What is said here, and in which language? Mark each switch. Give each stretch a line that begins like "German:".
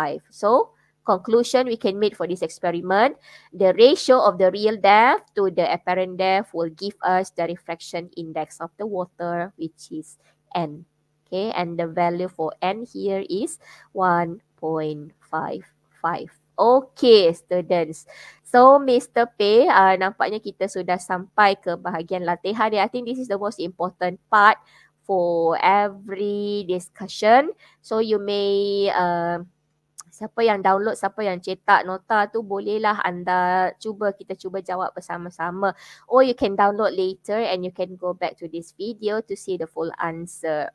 English: So conclusion we can make for this experiment, the ratio of the real depth to the apparent depth will give us the refraction index of the water, which is N. Okay, and the value for N here is 1.55. Okay, students. So, Mr.
Malay: Pei, nampaknya kita sudah sampai ke bahagian latihan.
English: I think this is the most important part for every discussion. So, you may...
Malay: siapa yang download, siapa yang cetak nota tu, bolehlah anda cuba, kita cuba jawab bersama-sama.
English: Or you can download later and you can go back to this video to see the full answer.